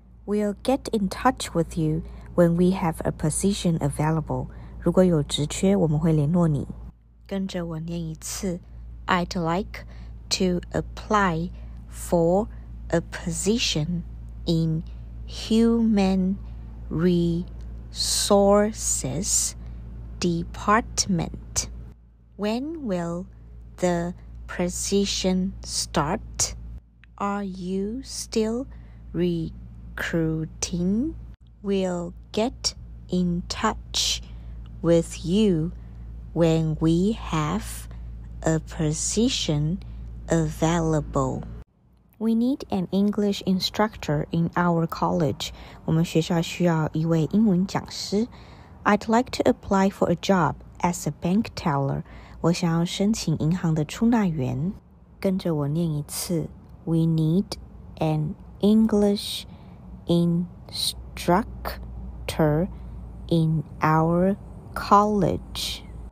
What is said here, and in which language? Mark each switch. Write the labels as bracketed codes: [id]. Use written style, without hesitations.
[en] We'll get in touch with you when we have a position available. [zh] 如果有职缺，我们会联络你。跟着我念一次。 [en] I'd like to apply for a position in Human Resources Department. When will the position start? Are you still recruiting? We'll get in touch with you when we have a position available. We need an English instructor in our college. [zh] 我们学校需要一位英文讲师。 [en] I'd like to apply for a job as a bank teller. [zh] 我想要申请银行的出纳员。跟着我念一次。 [en] We need an English instructor in our college.